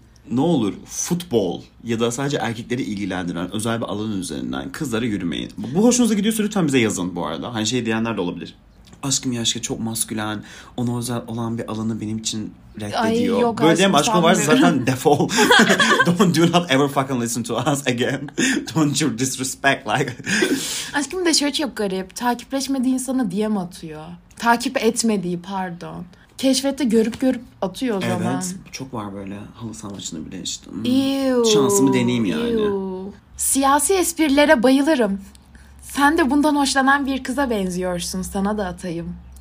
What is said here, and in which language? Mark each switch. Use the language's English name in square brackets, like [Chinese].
[Turkish] Ne olur futbol ya da sadece erkekleri ilgilendiren özel bir alanın üzerinden kızlara yürümeyin. Bu hoşunuza gidiyorsa lütfen bize yazın bu arada. Hani şey diyenler de olabilir. Aşkım yaşka çok maskülen. Ona özel olan bir alanı benim için reddediyor. Ay, yok, böyle diyeyim aşkım varsa zaten defol. [English] Do not ever fucking listen to us again. Don't you disrespect like. [Turkish] Aşkım da şöyle çok garip. Takipleşmediği insana DM atıyor. Takip etmediği pardon. Keşfette görüp atıyor o zaman. Evet çok var böyle. Halı saha maçını bile işte. Eww, şansımı deneyeyim yani. Eww. Siyasi esprilere bayılırım. Sen de bundan hoşlanan bir kıza benziyorsun. Sana da atayım.